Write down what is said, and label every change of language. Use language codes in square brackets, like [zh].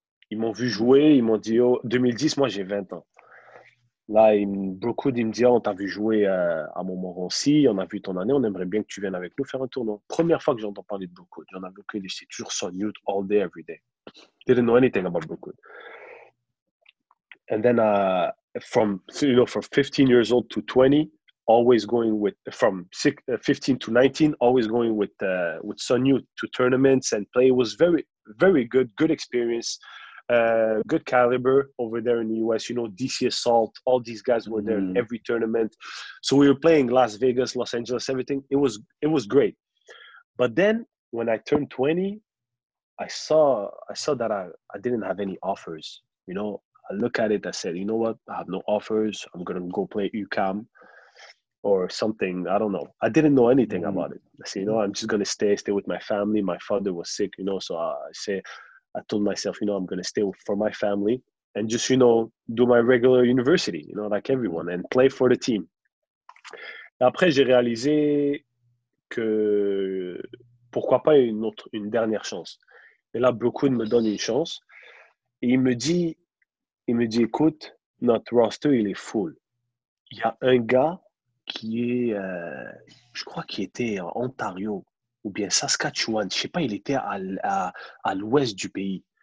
[fr] Ils m'ont vu jouer, ils m'ont dit, oh, 2010, moi j'ai 20 ans. Là, Brookwood, il me dit, oh, on t'a vu jouer à Montmorency, on a vu ton année, on aimerait bien que tu viennes avec nous faire un tournoi. Première fois que j'entends parler de Brookwood, j'en avais aucune idée, c'est toujours sur YouTube, [en] all day, every day. Didn't know anything about Brookwood. And then, from, you know, from 15 years old to 20, always going with, from 15 to 19, always going with Sun Youth to tournaments and play. It was very, very good, good experience, good caliber over there in the US. You know, DC Assault, all these guys were there in every tournament. So we were playing Las Vegas, Los Angeles, everything. It was great. But then when I turned 20, I saw that I didn't have any offers. You know, I look at it, I said, you know what? I have no offers. I'm going to go play UCAM. Or something, I don't know. I didn't know anything about it. I said, you know, I'm just going to stay with my family. My father was sick, you know, so I told myself, you know, I'm going to stay for my family and just, you know, do my regular university, you know, like everyone, and play for the team. [fr] Après, j'ai réalisé que pourquoi pas une dernière chance. Et là, Brookwood me donne une chance. Et il me dit, écoute, notre roster, il est full. Il y a un gars qui est, je crois qu'il était en Ontario ou bien Saskatchewan, je ne sais pas, il était à l'ouest du pays.